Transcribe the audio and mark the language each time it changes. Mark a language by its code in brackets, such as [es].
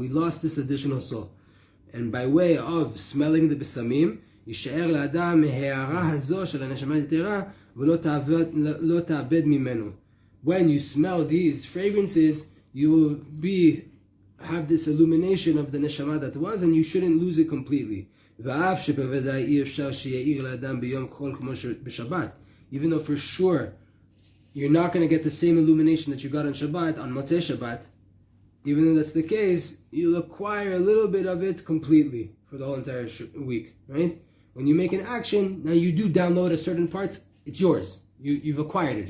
[en] We lost this additional soul. And by way of smelling the b'samim, [he] yishe'er la'adam me'he'ara hazo shel ha'neshama yetera, ולא תאבד ממנו. [en] When you smell these fragrances, you will have this illumination of the neshama that was, and you shouldn't lose it completely. [he] ואף שבוודאי אי אפשר שיעיר לאדם ביום חול כמו בשבת. [en] Even though for sure, you're not going to get the same illumination that you got on Shabbat, on Motzei Shabbat, even though that's the case, you'll acquire a little bit of it completely for the whole entire week, right? When you make an action, now you do download a certain part. It's yours. You've acquired it.